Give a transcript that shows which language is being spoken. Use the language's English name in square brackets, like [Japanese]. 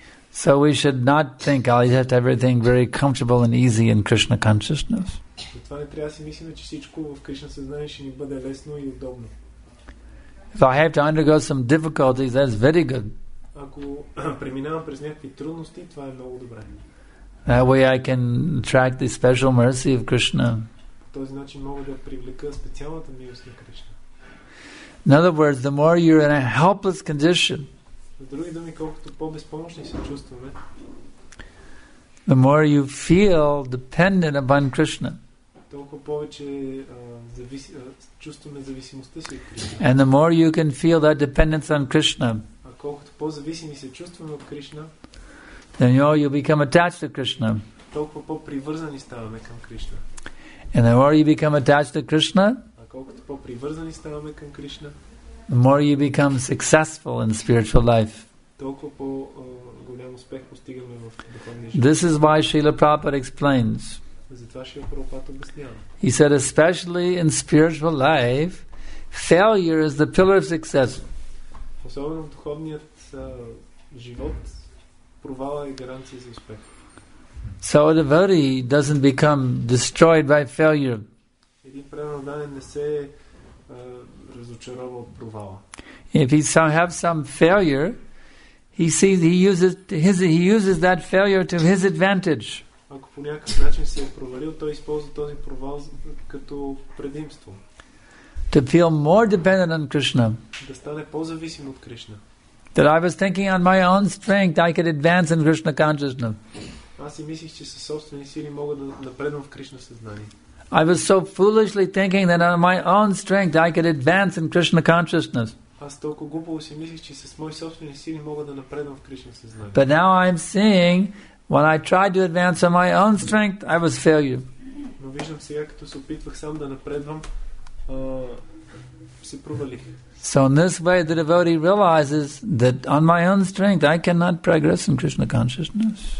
[English] So we should not think, I'll have everything very comfortable and easy in Krishna consciousness. [Bulgarian] Затова не трябва да си мислим, че всичко в Кришна съзнание ще ни бъде лесно и удобно. [English] If I have to undergo some difficulties, that's very good. [Bulgarian] Ако преминавам през някакви трудности, това е много добре. [English] That way I can attract the special mercy of Krishna. [Bulgarian] По този начин мога да привлека специалната милост на Кришна. [English] In other words, the more you're in a helpless condition, [Bulgarian] други думи, колкото по-безпомощни се чувстваме, [English] the more you feel dependent upon Krishna. [Bulgarian] Толкова повече чувстваме зависимостта си от Кришна. [English] And the more you can feel that dependence on Krishna, [Bulgarian] а колкото по-зависими се чувстваме от Кришна, [English] then you know, you become attached to Krishna. [Bulgarian] Толкова по-привързани ставаме към Кришна. [English] And the more you become attached to Krishna, [Bulgarian] а колкото по-привързани ставаме към Кришна, [English] the more you become successful in spiritual life. [Bulgarian] Толкова по-голям успех постигаме в духовния живот. [English] This is why Srila Prabhupada explains. [Bulgarian] Затова Шрила Прабхупада обяснява. [English] He said, especially in spiritual life, failure is the pillar of success. [Bulgarian] Особено в духовният живот, провала е гаранция за успех. [English] So a devotee doesn't become destroyed by failure. [Bulgarian] Един преданен не се разочарова от провала. [English] If he have some failure, he sees he uses that failure to his advantage. [Bulgarian] Ако по някакъв начин се е провалил, той използва този провал като предимство. [English] To feel more dependent on Krishna. [Bulgarian] Да стане по-зависим от Кришна. [English] That I was thinking on my own strength I could advance in Krishna consciousness. [Bulgarian] Аз си мислих, че със собствени сили мога да напредвам в Кришна съзнание. [English] I was so foolishly thinking that on my own strength I could advance in Krishna consciousness. [Bulgarian] Аз толкова глупо си мислих, че със мои собствени сили мога да напредвам в Кришна съзнание. [English] But now I'm seeing when I tried to advance on my own strength I was failure. [Bulgarian] Но виждам сега, като се опитвах сам да напредвам, се провалих. [English] So in this way the devotee realizes that on my own strength I cannot progress in Krishna consciousness.